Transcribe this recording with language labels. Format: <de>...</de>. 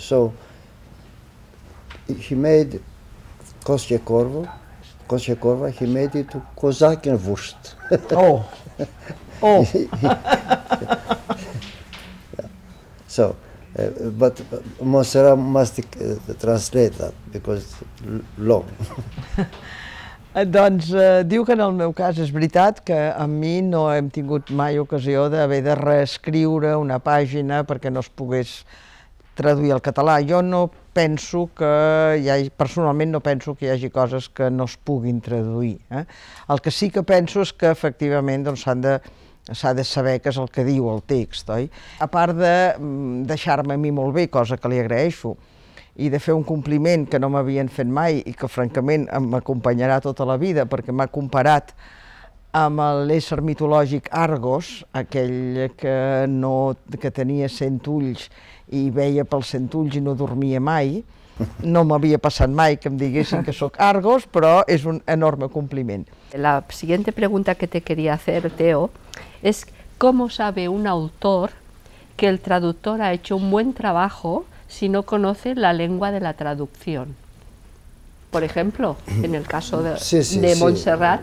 <en>So he made Koskenkorva, he made it to Kozakenwurst. Oh! So, but Montserrat must translate that, because it's long.</en> <ca>Doncs diu que en el meu cas és veritat que amb mi no hem tingut mai ocasió d'haver de reescriure una pàgina perquè no es pogués traduir al català. Jo no penso que hi hagi, personalment no penso que hi hagi coses que no es puguin traduir. El que sí que penso és que efectivament s'ha de saber què és el que diu el text, oi? A part de deixar-me a mi molt bé, cosa que li agraeixo, i de fer un compliment que no m'havien fet mai i que francament m'acompanyarà tota la vida perquè m'ha comparat amb l'ésser mitològic Argos, aquell que tenia 100 ulls i veia pels 100 ulls i no dormia mai. No m'havia passat mai que em diguessin que sóc Argos, però és un enorme compliment.</ca> <es>La siguiente pregunta que te quería hacer, Teo, es cómo sabe un autor que el traductor ha hecho un buen trabajo si no conoce la lengua de la traducción. Por ejemplo, en el caso de, de Montserrat,</es>